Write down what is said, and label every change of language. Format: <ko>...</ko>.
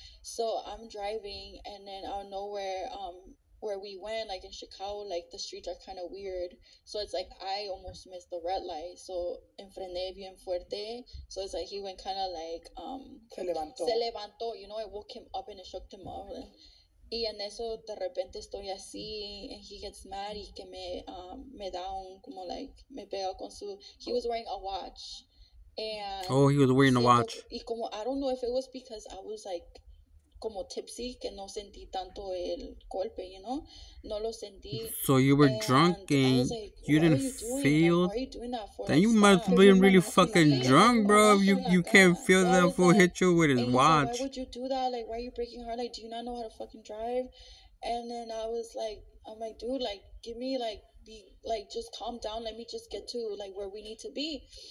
<en>So, I'm driving. And then out of nowhere, where we went, like, in Chicago, like, the streets are kind of weird. So, it's, like, I almost missed the red light. So,</en> <es>enfrené bien fuerte.</es> <en>So, it's, like, he went kind of, like,</en> <es>Se levantó.</es> <en>You know, I woke him up and it shook him up.</en> <es>Y en eso, de repente, estoy así.</es> <en>And he gets mad.</en> <es>Y que me da un, como,</es> <en>like,</en> <es>me pega con su...</es> <en>He was wearing a watch. And... Oh, he was wearing a watch.</en> <es>Y como,</es> <en>I don't know if it was because I was, like...</en> <es>como tipsy, que no sentí tanto el golpe,</es> <en>you know,</en> <es>no lo sentí.</es> <en>So you were drunk and like, you didn't feel that? Why are you doing that for? Then you must have been really fucking drunk, bro. You can't feel that fool hit you with his watch. Why would you do that? Like, why are you breaking heart? Like, do you not know how to fucking drive? And then I was like, I'm like, dude, like, give me, like, be like, just calm down, let me just get to, like, where we need to be.</en>